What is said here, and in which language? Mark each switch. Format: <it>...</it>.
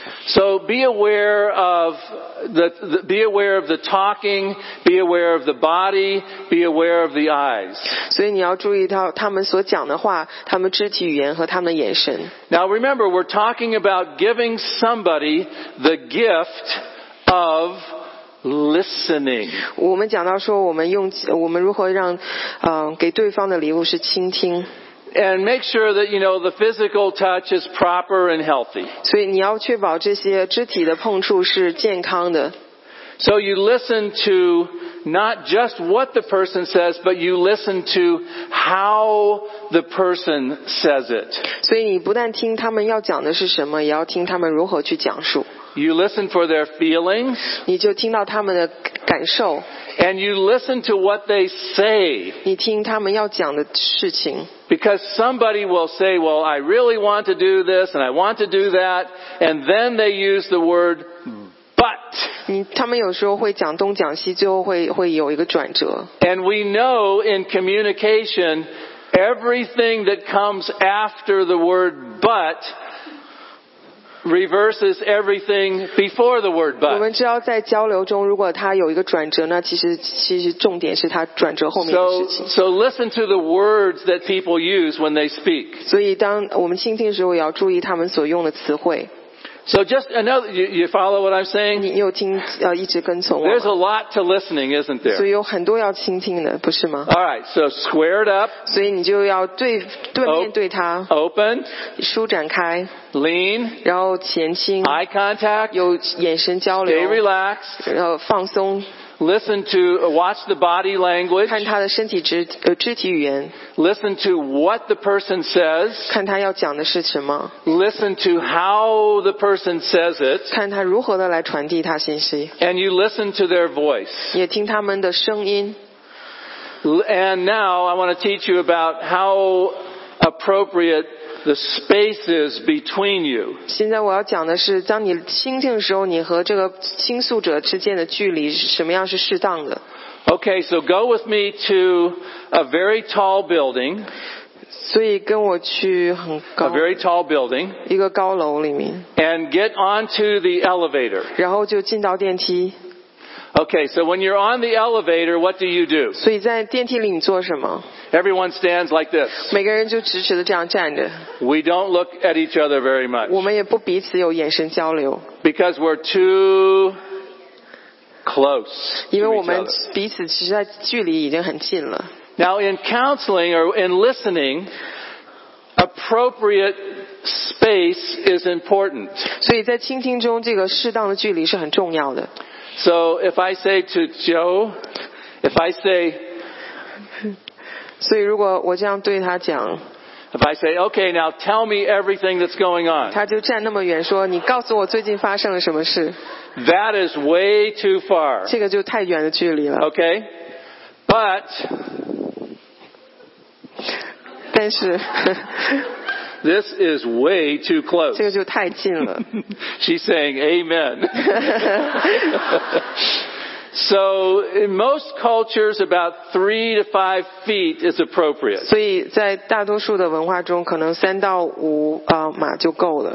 <en>So be aware of the talking, be aware of the body, be aware of the eyes.</en> <zh>所以你要注意到他们所讲的话，他们肢体语言和他们的眼神。</zh> <en>Now remember, we're talking about giving somebody the gift of listening.</en> <zh>我们讲到说我们如何让给对方的礼物是倾听。</zh> <en>And make sure that you know the physical touch is proper and healthy.</en> <zh>所以你要确保这些肢体的碰触是健康的。</zh> <en>So you listen to not just what the person says, but you listen to how the person says it.</en> <zh>所以你不但听他们要讲的是什么，也要听他们如何去讲述。</zh> <en>You listen for their feelings.</en> <zh>你就听到他们的感受。</zh> <en>And you listen to what they say.</en> <zh>你听他们要讲的事情。</zh> <en>Because somebody will say, well, I really want to do this and I want to do that. And then they use the word, but.</en> <zh>他们有时候会讲东讲西，最后会有一个转折。</zh> <en>And we know in communication, everything that comes after the word, but, reverses everything before the word, but.</en> <zh>我们知道在交流中，如果他有一个转折，那其实重点是他转折后面的事情。</zh> <en>So listen to the words that people use when they speak.</en> <zh>所以当我们倾听的时候，也要注意他们所用的词汇。</zh> <en>So just another, you follow what I'm saying?</en> <zh>你有听一直跟从我。</zh> <en>There's a lot to listening, isn't there?</en> <zh>所以有很多要倾听的，不是吗</zh> <en>？All right, so squared up.</en> <zh>所以你就要对面对他。</zh> <en>Open.</en> <zh>舒展开。</zh> <en>Lean.</en> <zh>然后前倾。</zh> <en>Eye contact.</en> <zh>有眼神交流。</zh> <en>Stay relaxed.</en> <zh>然后放松。</zh> <en>Listen to, watch the body language.</en> <zh>看他的身体肢体语言。</zh> <en>Listen to what the person says.</en> <zh>看他要讲的是什么。</zh> <en>Listen to how the person says it.</en> <zh>看他如何的来传递他信息。</zh> <en>And you listen to their voice.</en> <zh>也听他们的声音。</zh> <en>And now I want to teach you about how appropriate the space is between you.</en> <zh>现在我要讲的是，当你倾听的时候，你和这个倾诉者之间的距离什么样是适当的</zh> <en>？Okay, so go with me to a very tall building.</en> <zh>所以跟我去很高。</zh> <en>A very tall building.</en> <zh>一个高楼里面。</zh> <en>And get onto the elevator.</en> <zh>然后就进到电梯。</zh> <en>Okay, so when you're on the elevator, what do you do?</en> <zh>所以在电梯里你做什么？</zh> <en>Everyone stands like this.</en> <zh>每个人就直直的这样站着。</zh> <en>We don't look at each other very much.</en> <zh>我们也不彼此有眼神交流。</zh> <en>Because we're too close.</en> <zh>因为我们彼此其实在距离已经很近了。</zh> <en>Now in counseling or in listening, appropriate Space is important.</en> <zh>所以在倾听中，这个适当的距离是很重要的。</zh> <en>So if I say to Joe, if I say,</en> <zh>所以如果我这样对他讲</zh> <en>，If I say, okay, now tell me everything that's going on.</en> <zh>他就站那么远说，你告诉我最近发生了什么事。</zh> <en>That is way too far.</en> <zh>这个就太远的距离了。</zh> <en>Okay, but.</en> <zh>但是。</zh> <en>This is way too close.</en> <zh>这个就太近了。</zh> <en>She's saying amen. So in most cultures, about 3 to 5 feet is appropriate.</en> <zh>所以在大多数的文化中，可能3到5码就够了。</zh>